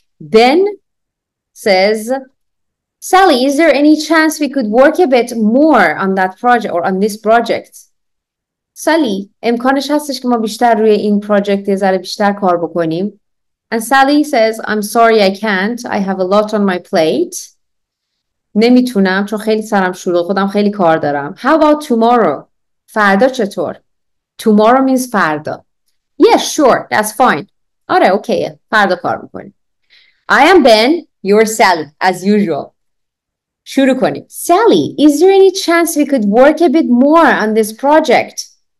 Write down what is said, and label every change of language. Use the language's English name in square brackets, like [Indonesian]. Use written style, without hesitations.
[English] Ben says, Sally, is there any chance we could work a bit more on that project or on this project? [Persian] Sally, امکانش هستش که ما بیشتر روی این پروژه ذره بیشتر کار بکنیم. [English] And Sally says, I'm sorry I can't. I have a lot on my plate. [Persian] نمیتونم چون خیلی سرم شلوغ، خودم خیلی کار دارم. [English] How about tomorrow? [Persian] فردا چطور؟ [English] Tomorrow means فردا. Yeah, sure, that's fine. [Persian] آره، اوکی، فردا کار میکنیم. [English] I am Ben, you're Sally, as usual. [Persian] شروع کنیم. [English] Sally, is there any chance we could work a bit more on this project?